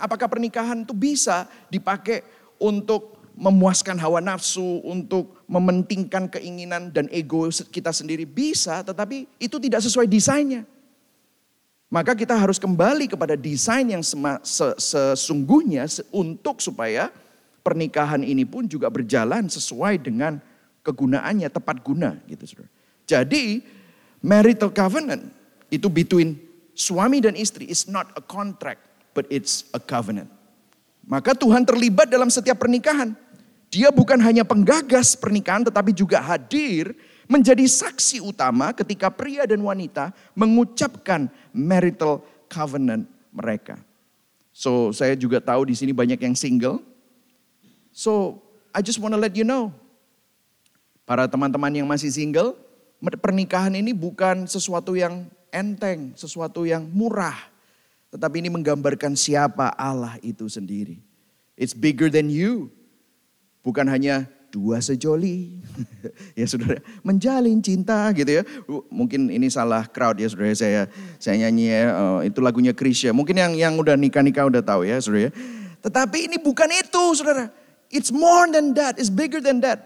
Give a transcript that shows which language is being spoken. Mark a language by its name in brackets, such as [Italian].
[Indonesian] Apakah pernikahan itu bisa dipakai untuk memuaskan hawa nafsu, untuk mementingkan keinginan dan ego kita sendiri? Bisa, tetapi itu tidak sesuai desainnya. Maka kita harus kembali kepada desain yang sesungguhnya untuk supaya pernikahan ini pun juga berjalan sesuai dengan kegunaannya, tepat guna gitu, saudara. Jadi [English] marital covenant [Indonesian] itu [English] between [Indonesian] suami dan istri [English] is not a contract, but it's a covenant. [Indonesian] Maka Tuhan terlibat dalam setiap pernikahan. Dia bukan hanya penggagas pernikahan, tetapi juga hadir menjadi saksi utama ketika pria dan wanita mengucapkan marital covenant mereka. So, saya juga tahu di sini banyak yang single. [English] So, I just want to let you know. [Indonesian] Para teman-teman yang masih single, pernikahan ini bukan sesuatu yang enteng, sesuatu yang murah. Tetapi ini menggambarkan siapa Allah itu sendiri. [English] It's bigger than you. [Indonesian] Bukan hanya dua sejoli. Ya saudara, menjalin cinta gitu ya. Mungkin ini salah crowd ya saudara. Saya nyanyi ya, itu lagunya Krisya. Mungkin yang udah nikah-nikah udah tahu ya saudara ya. Tetapi ini bukan itu saudara. [English] It's more than that, it's bigger than that.